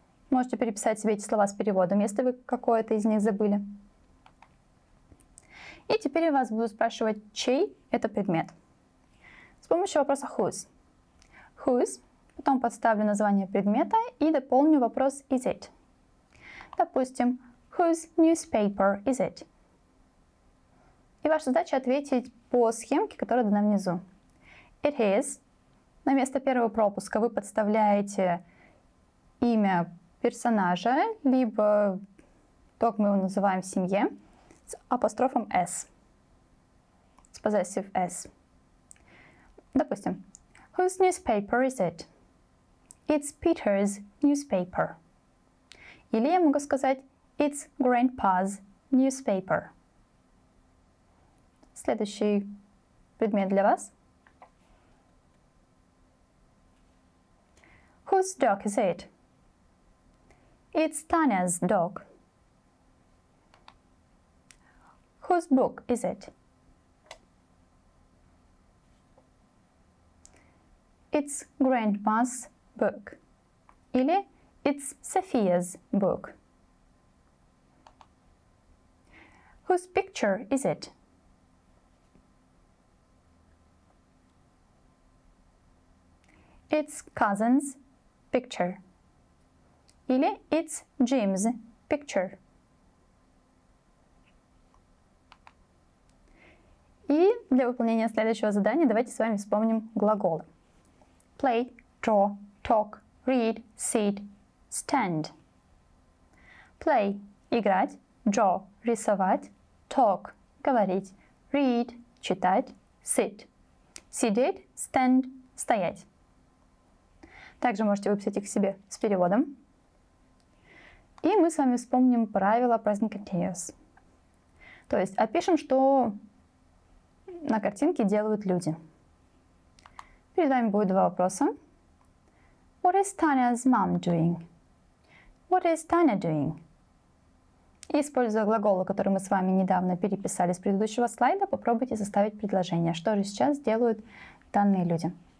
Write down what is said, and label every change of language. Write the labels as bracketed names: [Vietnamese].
[Russian] Можете переписать себе эти слова с переводом, если вы какое-то из них забыли. И теперь я вас буду спрашивать, чей это предмет. С помощью вопроса whose. [English] Whose. [Russian] Потом подставлю название предмета и дополню вопрос is it. [English] Допустим, whose newspaper is it? [Russian] И ваша задача ответить по схемке, которая дана внизу. [English] It is. [Russian] На место первого пропуска вы подставляете имя персонажа, либо то, как мы его называем в семье, с апострофом s. С possessive s. [English] Допустим, whose newspaper is it? It's Peter's newspaper. [Russian] Или я могу сказать, [English] it's grandpa's newspaper. [Russian] Следующий предмет для вас. [English] Whose dog is it? It's Tanya's dog. Whose book is it? It's grandma's book. Или it's Sophia's book. Whose picture is it? It's cousin's picture. Или it's Jim's picture. [Russian] И для выполнения следующего задания давайте с вами вспомним глаголы. [English] Play, draw, talk, read, sit, stand. Play – играть, draw – рисовать, talk – говорить, read – читать, sit. [Russian] Сидеть, stand – стоять. Также можете выписать их себе с переводом. И мы с вами вспомним правила present continuous. То есть опишем, что на картинке делают люди. Перед вами будет два вопроса. [English] What is Tanya's mom doing? What is Tanya doing? [Russian] Используя глаголы, которые мы с вами недавно переписали с предыдущего слайда, попробуйте составить предложение. Что же сейчас делают данные люди?